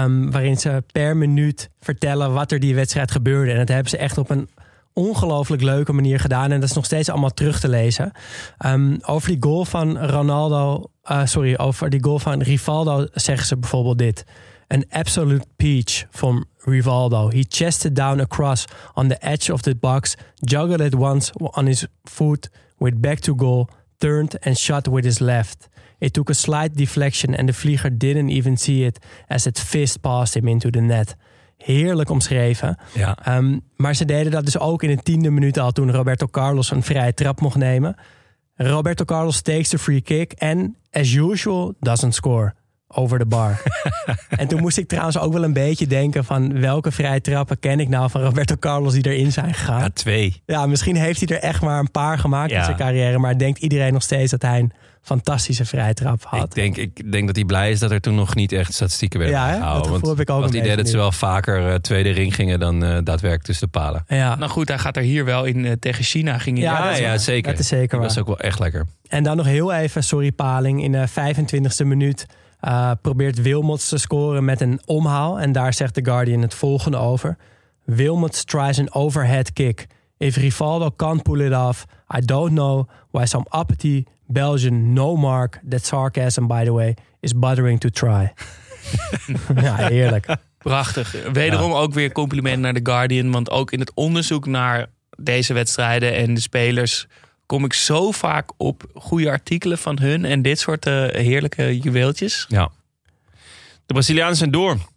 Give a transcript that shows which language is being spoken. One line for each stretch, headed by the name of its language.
Dutch: Waarin ze per minuut vertellen wat er die wedstrijd gebeurde. En dat hebben ze echt op een ongelooflijk leuke manier gedaan. En dat is nog steeds allemaal terug te lezen. Over die goal van Ronaldo. Over die goal van Rivaldo zeggen ze bijvoorbeeld dit:
English: an absolute peach from Rivaldo. He chested down across on the edge of the box, juggled it once on his foot with back to goal, turned and shot with his left. It took a slight deflection and the vlieger didn't even see it as it fist passed him into the net.
Dutch: Heerlijk omschreven. Ja. Maar ze deden dat dus ook in de 10e minuut al toen Roberto Carlos een vrije trap mocht nemen.
English: Roberto Carlos takes the free kick and, as usual, doesn't score over the bar.
Dutch: En toen moest ik trouwens ook wel een beetje denken van welke vrije trappen ken ik nou van Roberto Carlos die erin zijn gegaan. Ja, twee. Ja, misschien heeft hij er echt maar een paar gemaakt in zijn carrière, maar denkt iedereen nog steeds dat hij een fantastische vrijtrap had. Ik denk dat hij blij is dat er toen nog niet echt statistieken werden gehouden. Dat gevoel heb ik ook. Want het idee dat ze wel vaker tweede ring gingen dan daadwerkelijk tussen de palen. Ja. Nou goed, hij gaat er hier wel in tegen China. Ging zeker. Dat is zeker waar. Dat is ook wel echt lekker. En dan nog heel even, sorry Paling, in de 25e minuut probeert Wilmots te scoren met een omhaal. En daar zegt The Guardian het volgende over.
English: Wilmots tries an overhead kick. If Rivaldo can't pull it off, I don't know why some apathy Belgian no mark, that sarcasm by the way, is bothering to try.
Dutch: Ja, heerlijk. Prachtig. Wederom ook weer compliment naar The Guardian. Want ook in het onderzoek naar deze wedstrijden en de spelers kom ik zo vaak op goede artikelen van hun en dit soort heerlijke juweeltjes. Ja. De Brazilianen zijn door.